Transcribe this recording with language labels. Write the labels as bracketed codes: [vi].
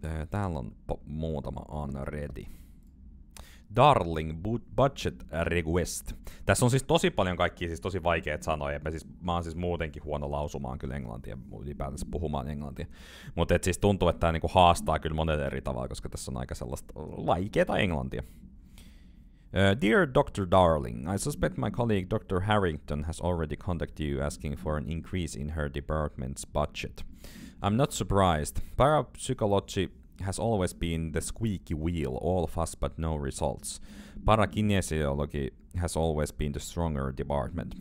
[fi] Täällä on muutama unready. [en] Darling, budget request. [fi] Tässä on siis tosi paljon kaikkia siis tosi vaikeita sanoja. Mä oon siis muutenkin huono lausumaan kyllä englantia, ylipäätänsä puhumaan englantia. Mutta siis tuntuu, että tämä niinku haastaa kyllä monet eri tavalla, koska tässä on aika sellaista vaikeaa englantia. [en] Dear Dr. Darling, I suspect my colleague Dr. Harrington has already contacted you asking for an increase in her department's budget. I'm not surprised. Parapsychology has always been the squeaky wheel, all fuss but no results. Parakinesiology has always been the stronger department.